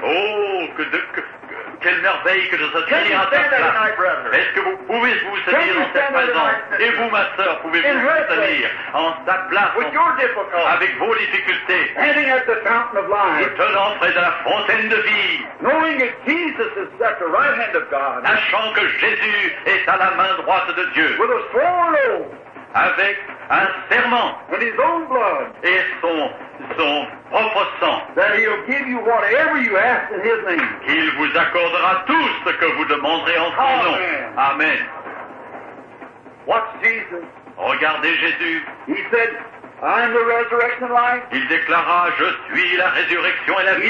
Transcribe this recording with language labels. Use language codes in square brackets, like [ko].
[fr] Oh, quelle merveille que de se tenir à ta place. Est-ce que vous pouvez vous tenir en cette présence? Et vous, ma sœur, pouvez-vous vous tenir en sa place avec vos difficultés? Vous tenant près de la fontaine de vie. [en] Knowing that Jesus is at the right hand of God. [fr] Sachant que Jésus est à la main droite de Dieu. [en] With a sworn oath. [fr] Avec un serment. [en] With his own blood. [fr] Et son propre sang. [en] That he'll give you whatever you ask in his name. [fr] Qu'il vous accordera tout ce que vous demanderez en son nom. [en] Amen. What's Jesus? [fr] Regardez Jésus. [en] He said, I'm the resurrection and life. [fr] Il déclara, je suis la résurrection et la vie.